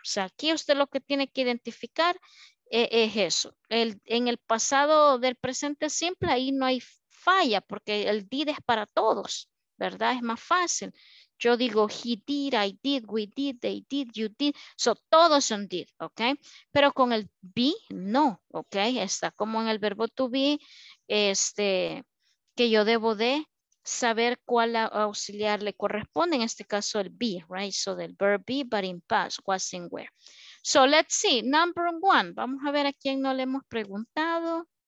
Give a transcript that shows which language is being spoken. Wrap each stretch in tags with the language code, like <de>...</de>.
<es>O sea, aquí usted lo que tiene que identificar es eso. En el pasado del presente simple, ahí no hay falla porque el did es para todos, ¿verdad? Es más fácil. Yo digo,</es> <en>he did, I did, we did, they did, you did.</en> <es>So, todos son did, ¿ok? Pero con el be, no, ¿ok? Está como en el verbo to be, este, que yo debo de saber cuál auxiliar le corresponde. En este caso, el be,</es> <en>right? So, the verb be, but in past, was in where. So, let's see, number one.</en> <es>Vamos a ver a quién no le hemos preguntado.</es>